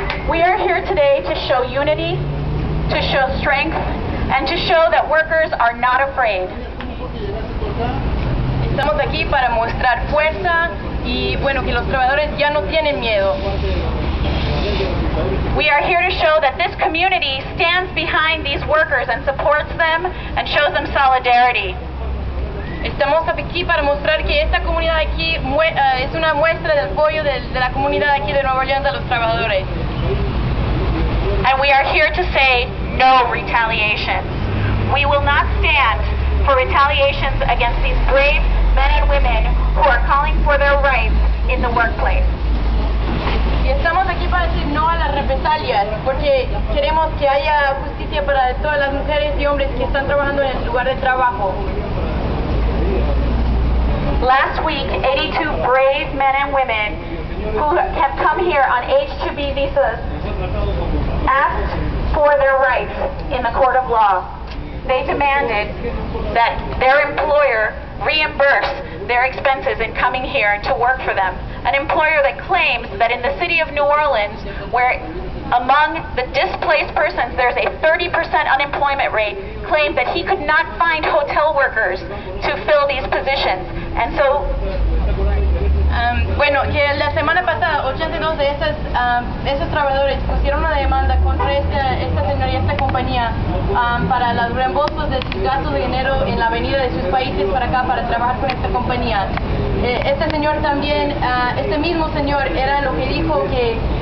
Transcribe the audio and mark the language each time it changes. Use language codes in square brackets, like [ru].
[en] We are here today to show unity, to show strength, and to show that workers are not afraid. [es] Estamos aquí para mostrar fuerza y bueno, que los trabajadores ya no tienen miedo. [en] We are here to show that this community stands behind these workers and supports them and shows them solidarity. [es] Estamos aquí para mostrar que esta comunidad aquí es una muestra del apoyo de la comunidad aquí de Nueva Orleans a los trabajadores. [en] And we are here to say no retaliation. We will not stand for retaliations against these brave men and women who are calling for their rights in the workplace. [es] Y estamos aquí para decir no a las represalias, porque queremos que haya justicia para todas las mujeres y hombres que están trabajando en el lugar de trabajo. [en] Last week, 82 brave men and women who have come here on H-2B visas asked for their rights in the court of law. They demanded that their employer reimburse their expenses in coming here to work for them. An employer that claims that in the city of New Orleans, where among the displaced persons there's a 30% unemployment rate, claimed that he could not find hotel workers to fill these positions. And so, [es] bueno, que la semana pasada 82 de esas, esos trabajadores pusieron una demanda contra esta señora y esta compañía para los reembolsos de sus gastos de dinero en la venida de sus países para acá para trabajar con esta compañía. Este señor también, este mismo señor era lo que dijo que...